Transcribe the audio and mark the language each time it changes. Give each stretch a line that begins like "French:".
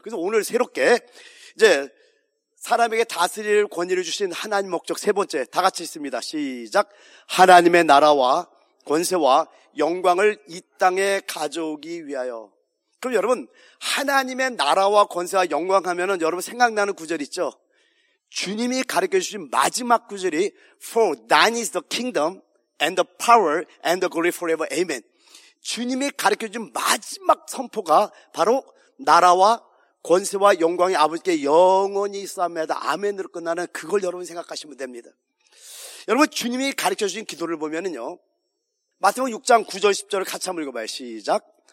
Korean: 그래서 오늘 새롭게 이제 사람에게 다스릴 권위를 주신 하나님 목적 세 번째 다 같이 있습니다. 시작. 하나님의 나라와 권세와 영광을 이 땅에 가져오기 위하여. 그럼 여러분, 하나님의 나라와 권세와 영광 하면은 여러분 생각나는 구절 있죠?
English: 주님이 가르쳐 주신 마지막 구절이 For thine is the kingdom and the power and the glory forever. Amen.
Korean: 주님이 가르쳐 준 마지막 선포가 바로 나라와 권세와 영광이 아버지께 영원히 있사옵나이다. 아멘으로 끝나는 그걸 여러분 생각하시면 됩니다. 여러분, 주님이 가르쳐 주신 기도를 보면은요, 마태복음 6장 9절 10절을 같이 한번 읽어봐요. 시작.